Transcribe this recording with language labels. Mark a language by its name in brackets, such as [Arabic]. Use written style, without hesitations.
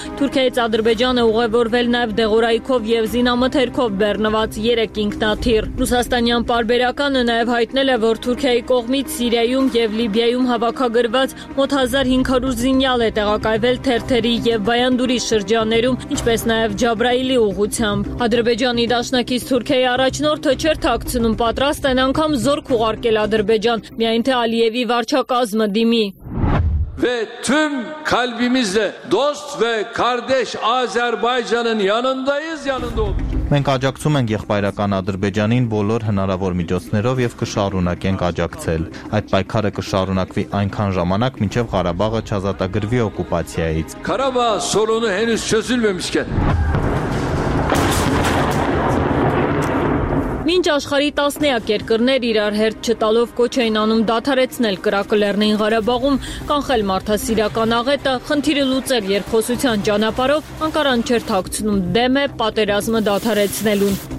[Armenian] Թուրքիայից Ադրբեջանը ուղևորվել նաեւ դեղորայքով եւ զինամթերքով բեռնված 3 ինքնաթիռ։ Ռուսաստանյան Պարբերականը նաեւ հայտնել է, որ Թուրքիայի կողմից Սիրիայում եւ Լիբիայում հավաքագրված մոտ 1500 զինյալ է տեղակայվել թերթերի և Բայանդուրի շրջաններում, ինչպես նաև Ջաբրայիլի ուղությամբ։ Ադրբեջանի դաշնակից Թուրքիայի առաջնորդը չեր թաքցնում, պատրաստ են անգամ զորք ուղարկել Ադրբեջան, միայն թե Ալիևի վարչակազմը դիմի։ [Turkish] ve tüm kalbimizle dost ve kardeş Azerbaycan'ın yanındayız, yanında olacağız. [Armenian] Մենք աջակցում ենք եղբայրական Ադրբեջանին բոլոր հնարավոր միջոցներով և կշարունակենք աջակցել։ Այդ պայքարը կշարունակվի այնքան ժամանակ, մինչև Ղարաբաղը չազատագրվի օկուպացիայից։ [Turkish] Karabağ sorunu henüz çözülmemişken. [Armenian] Մինչ աշխարհի տասնյակ երկրներ իրար հերթ չտալով կոչ էին անում դադարեցնել կրակը Լեռնային Ղարաբաղում, կանխել մարդասիրական աղետը, խնդիրը լուծել երկխոսության ճանապարհով, Անկարան չէր թաքցնում դեմը պատերազմը դադարեցնելուն։